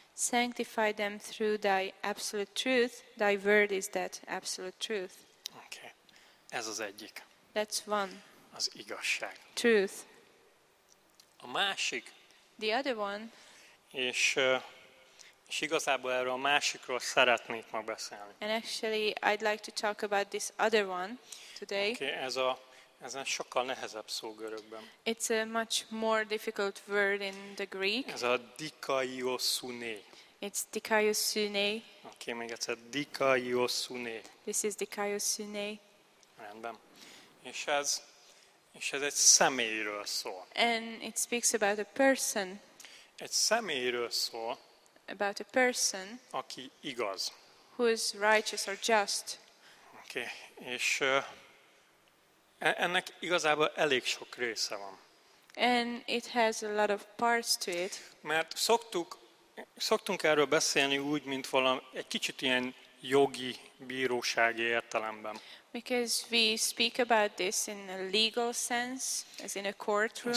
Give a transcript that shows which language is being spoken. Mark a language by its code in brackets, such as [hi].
[en] Sanctify them through thy absolute truth. Thy word is that absolute truth. [hu] Okay. Ez az egyik. [en] That's one. [hu] Az igazság. [en] Truth. [hu] A másik. [en] The other one. [hu] És igazából erről a másikról szeretnék ma beszélni. [en] And actually, I'd like to talk about this other one today. Okay. [hu] Ez egy sokkal nehezebb szó görögben. [en] It's a much more difficult word in the Greek. [hu] Ez a dikaiosune. [en] It's dikaiosune. [hu] Okay, még egyszer, dikaiosune. [en] This is dikaiosune. [hu] Rendben. És ez egy személyről szó. [en] And it speaks about a person. [hu] Egy személyről szó. [en] About a person. [hu] Aki igaz. [en] Who is righteous or just. [hu] Okay, és ennek igazából elég sok része van. [en] And it has a lot of parts to it. [hu] Mert szoktunk erről beszélni úgy, mint valami egy kicsit ilyen jogi bírósági értelemben. [en] Because we speak about this in a legal sense, as in a courtroom.